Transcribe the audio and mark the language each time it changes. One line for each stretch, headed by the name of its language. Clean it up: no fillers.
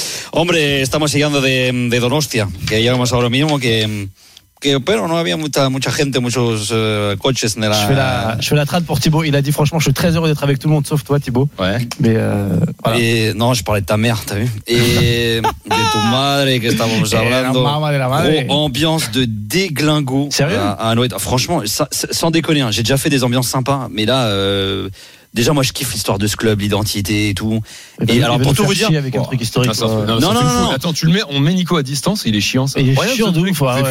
Spanish: Hombre, estamos llegando de Donostia, que llegamos ahora mismo que pero no había mucha gente, muchos coches en la...
French: Je fais la trade pour Thibaut, il a dit franchement je suis très heureux d'être avec tout le monde sauf toi Thibaut. Ouais. Mais voilà. Et non, je parlais de ta mère, t'as vu? Et de
Spanish: ta madre que estábamos hablando.
French: Ambiance de déglingo. Sérieux? À franchement, sans déconner, hein, j'ai déjà fait des ambiances sympas, mais là déjà moi je kiffe l'histoire de ce club, l'identité et tout. Et alors pour tout vous dire avec un truc historique. Ah, non. Attends, tu le mets, on met Nico à distance, il est chiant ça. Il est chiant de ouf.